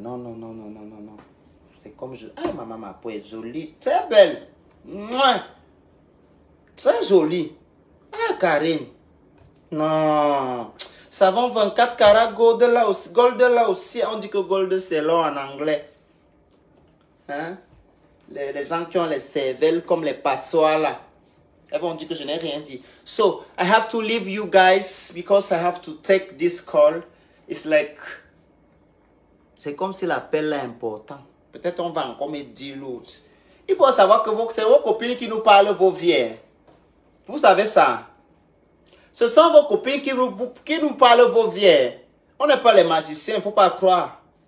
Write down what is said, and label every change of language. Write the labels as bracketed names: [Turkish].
[French] Non, non, non, non, non, non, non. C'est comme je... Ah, maman, ma peau est jolie. Très belle. Mouah. Très jolie. Ah, Karine. Non. Savon 24 carats gold là aussi. Gold là aussi. On dit que gold, c'est long en anglais. Hein? Les gens qui ont les cervelles comme les passoires là. Elles vont dire que je n'ai rien dit. [English] So, I have to leave you guys because I have to take this call. It's like... [French] C'est comme si l'appel est important. Peut-être on va encore me dire l'autre. Il faut savoir que c'est vos copines qui nous parlent vos vies. Vous savez ça? Ce sont vos copines qui nous parlent vos vies. On n'est pas les magiciens, il ne faut pas croire.